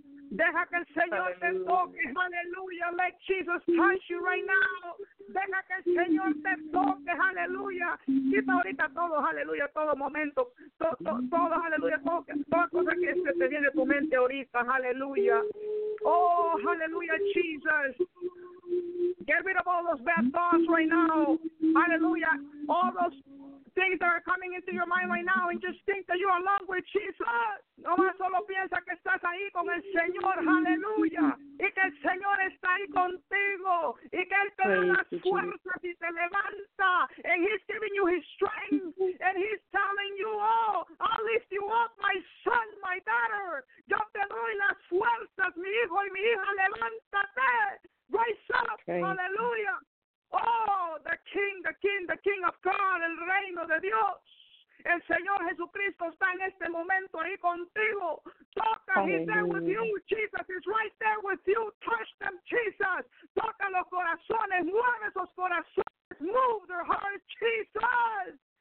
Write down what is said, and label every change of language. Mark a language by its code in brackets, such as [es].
[es] Deja que el Señor te toque, aleluya. [en] Let Jesus touch you right now. [es] Deja que el Señor te toque, aleluya. Quita ahorita todo, aleluya, todo momento. Todo, aleluya, toda cosa que se te viene a tu mente ahorita, aleluya. [en] Oh, aleluya, Jesus. Get rid of all those bad thoughts right now, aleluya. All those things that are coming into your mind right now, and just think that you are alone with Jesus. [es] No más solo piensa que estás ahí con el Señor, aleluya, y que el Señor está ahí contigo, y que Él te da las fuerzas y te levanta, [en] and He's giving you His strength, and He's telling you, oh, I'll lift you up, my son, my daughter, [es] yo te doy las fuerzas, mi hijo y mi hija, levántate, [en] rise up, [es] aleluya. [en] Oh, the king of God, [es] el reino de Dios. El Señor Jesucristo está en este momento ahí contigo. [en] Toca, he's there with you, Jesus. He's right there with you. Touch them, Jesus. [es] Toca los corazones, mueve esos corazones. [en] Move their hearts, Jesus.